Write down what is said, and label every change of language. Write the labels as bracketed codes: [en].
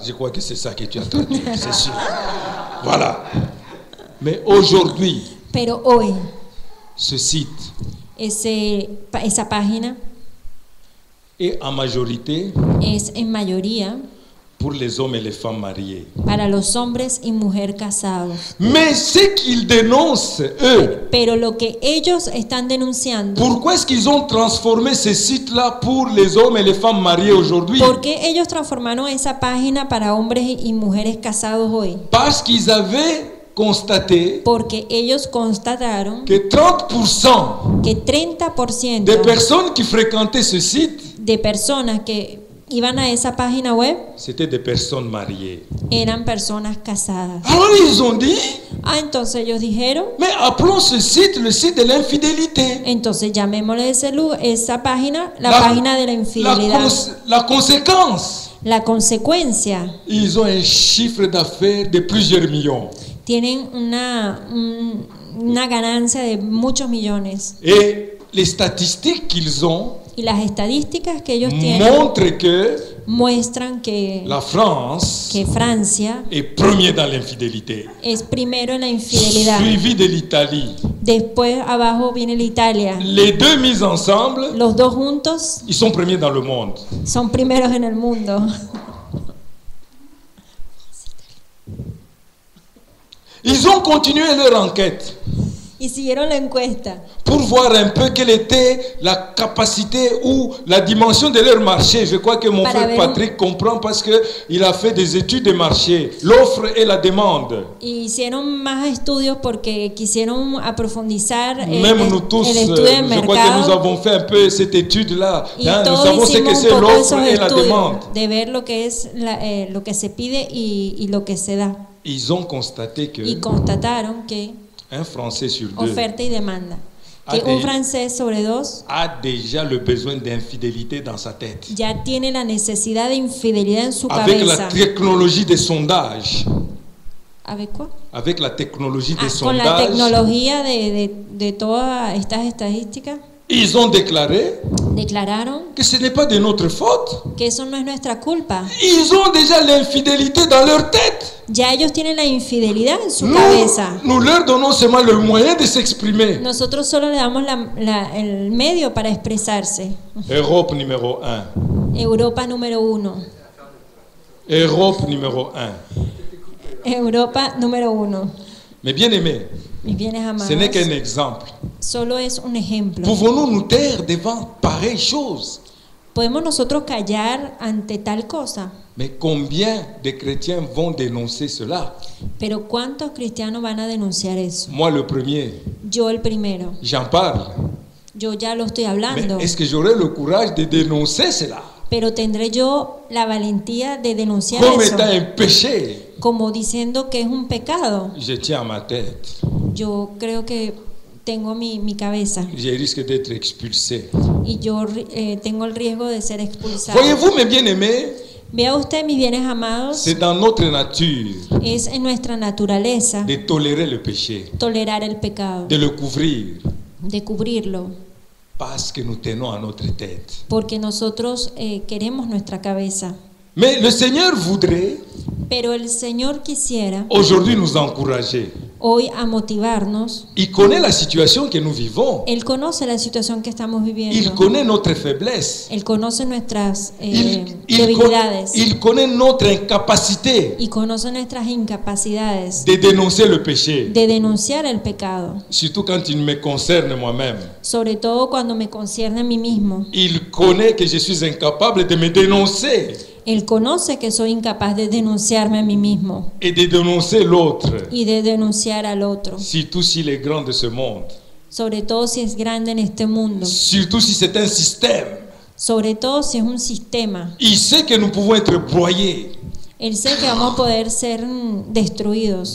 [fr] Je crois que c'est ça que tu as traduit. C'est sûr. Voilà. Mais aujourd'hui. [es] Pero hoy. [fr] Ce site. [es] Esa página. [fr] Est en majorité. [es] Es en mayoría. [fr] Pour les hommes et les femmes mariés. [es] Para los hombres y mujeres casados. [fr] Mais ce qu'ils dénoncent eux. [es] Pero lo que ellos están denunciando. [fr] Pourquoi est-ce qu'ils ont transformé ce site-là pour les hommes et les femmes mariés aujourd'hui? [es] ¿Por qué ellos transformaron esa página para hombres y mujeres casados hoy? [fr] Parce qu'ils avaient constaté. [es] Porque ellos constataron. [fr] Que 30%. [es] Que 30%. [fr] De personnes qui fréquentaient ce site. [es] De personas que iban a esa página web. [fr] C'était des personnes mariées. [es] Eran personas casadas. [fr] Alors ils ont dit. [es] Ah, entonces ellos dijeron. [fr] Mais appelons ce site le site de l'infidélité. [es] Entonces llamémosle esa página la página de la infidelidad. [fr] La conséquence. [es] La consecuencia. [fr] Ils ont un chiffre d'affaires de plusieurs millions. [es] tienen una ganancia de muchos millones. [fr] Et les statistiques qu'ils ont, [es] y las estadísticas que ellos tienen [fr] montrent que [es] muestran que [fr] la France, [es] que Francia [fr] est premier dans l'infidélité, [es] es primero en la infidelidad, [fr] suivi de l'Italie. [es] Después abajo viene la Italia. [fr] Les deux mis ensemble, [es] los dos juntos, [fr] ils sont premiers dans le monde. [es] Son primeros en el mundo. [fr] Ils ont continué leur enquête. [es] Y siguieron la encuesta. [fr] Pour voir un peu quelle était la capacité ou la dimension de leur marché. Je crois que mon frère Patrick comprend parce que il a fait des études de marché, l'offre et la demande. [es] Y hicieron más estudios porque quisieron aprofundizar [fr] même nous tous, [es] el estudio de mercado. [fr] Je crois que nous avons fait un peu cette étude là. Hein, nous savons ce que c'est l'offre et la demande. [es] De ver lo que es la, lo que se pide y lo que se da. [fr] Ils ont constaté que. [es] Y constataron que. [fr] Un français sur deux. [es] Oferta y demanda. Que un francés sobre dos. [fr] A déjà le besoin d'infidélité dans sa tête. [es] Ya tiene la necesidad de infidelidad en su [fr] avec [es] cabeza. [fr] Avec la technologie des sondages. ¿Avec quoi? Avec la technologie des sondages. [es] Con la tecnología de todas estas estadísticas. [fr] Ils ont déclaré. [es] Declararon. [fr] Que ce n'est pas de notre faute. [es] Que eso no es nuestra culpa. [fr] Ils ont déjà l'infidélité dans leur tête. [es] Ya ellos tienen la infidelidad en su [fr] nous, [es] cabeza. [fr] Nous leur donnons seulement le moyen de s'exprimer. [es] Nosotros solo le damos el medio para expresarse. [fr] Europe numéro 1. [es] Europa número 1. [fr] Europe numéro 1. [es] Europa número 1. [fr] Mes bien-aimés. [es] Mis bienes amados. [fr] Ce n'est qu'un exemple. [es] Solo es un ejemplo. [fr] Pouvons-nous nous taire devant pareille chose? [es] ¿Podemos nosotros callar ante tal cosa? [fr] Mais combien de chrétiens vont dénoncer cela? [es] Pero ¿cuántos cristianos van a denunciar eso? [fr] Moi le premier. [es] Yo el primero. [fr] J'en parle. [es] Yo ya lo estoy hablando. [fr] Mais est-ce que j'aurai le courage de dénoncer cela? [es] Pero tendré yo la valentía de denunciar [fr] comme [es] eso. [fr] Étant un péché. [es] Como diciendo que es un pecado. [fr] Je tiens ma tête. [es] Yo creo que tengo mi cabeza. [fr] Je risque d'être expulsé. [es] Y yo tengo el riesgo de ser expulsado. [fr] Voyez-vous, mes bien-aimés? [es] Vea usted, mis bienes amados. [fr] C'est dans notre nature. [es] Es en nuestra naturaleza. [fr] De tolérer le péché. [es] Tolerar el pecado. [fr] De le couvrir. [es] De cubrirlo. [fr] Parce que nous tenons à notre tête. [es] Porque nosotros queremos nuestra cabeza. [fr] Mais le Seigneur voudrait. [es] Pero el Señor quisiera. [fr] Aujourd'hui nous encourager. [es] Hoy a motivarnos. [fr] Il connaît la situation que nous vivons. [es] Él conoce la situación que estamos viviendo. [fr] Il connaît notre faiblesse. [es] Él conoce nuestras debilidades. [fr] Il connaît notre incapacité. [es] Y conoce nuestras incapacidades. [fr] De dénoncer le péché. [es] De denunciar el pecado. [fr] Surtout quand il me concerne moi-même. [es] Sobre todo cuando me concierne a mí mismo. [fr] Il connaît que je suis incapable de me dénoncer. [es] Él conoce que soy incapaz de denunciarme a mí mismo. [fr] Et de dénoncer l'autre. [es] Y de denunciar al otro. [fr] Surtout s'il est grand de ce monde. [es] Sobre todo si es grande en este mundo. [fr] Surtout si c'est un système. [es] Sobre todo si es un sistema. [fr] Il sait que nous pouvons être broyés. [es] Él sabe que vamos a poder ser destruidos.